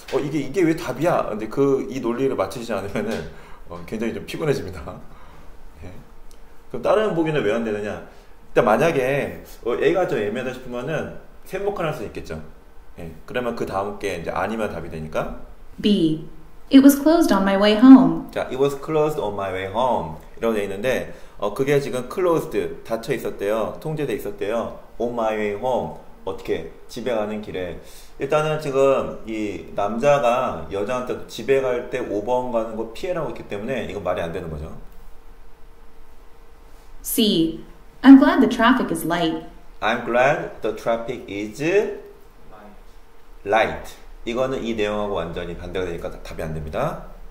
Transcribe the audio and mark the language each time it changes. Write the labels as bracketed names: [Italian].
[Korean] 이게 왜 답이야? 근데 이 논리를 맞추지 않으면은 굉장히 좀 피곤해집니다. 네. 그럼 다른 보기는 왜 안 되느냐? 일단 만약에 A가 좀 애매하다 싶으면은 셋모컨 할 수 있겠죠. 예. 네. 그러면 그 다음 게 이제 아니면 답이 되니까 [English] B. It was closed on my way home. 자, it was closed on my way home. [Korean] 이런 게 있는데 그게 지금 closed, 닫혀 있었대요. 통제돼 있었대요. [English] On my way home. [Korean] 어떻게? 집에 가는 길에. 일단은 지금 이 남자가 여자한테 집에 갈 때 5번 가는 거 피해라고 했기 때문에 이거 말이 안 되는 거죠. [English] C. I'm glad the traffic is light. I'm glad the traffic is light. [Korean] 이거는 이 내용하고 완전히 반대가 되니까 답이 안 됩니다.